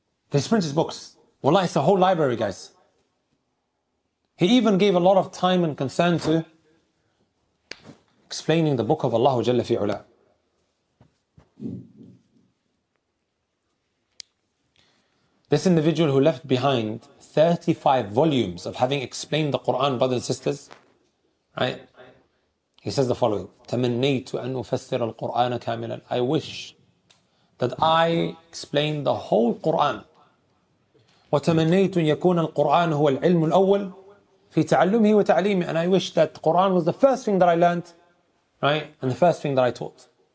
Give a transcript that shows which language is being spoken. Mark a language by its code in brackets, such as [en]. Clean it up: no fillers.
[en] They print his books. Wallah, it's a whole library, guys. He even gave a lot of time and concern to explaining the book of Allah Jalla fi'ula. The This individual who left behind 35 volumes of having explained the Quran, brothers and sisters, right? [ar] He says the following, تَمَنَّيْتُ أَنْ أُفَسِّرَ الْقُرْآنَ كَامِلًا. [en] I wish that I explain the whole Quran. [ar] وَتَمَنَّيْتُ يَكُونَ الْقُرْآنَ هُوَ الْعِلْمُ الْأَوَّلِ فِي تَعَلُّمْهِ وَتَعْلِيمِ. [en] And I wish that Quran was the first thing that I learned, right? And the first thing that I taught.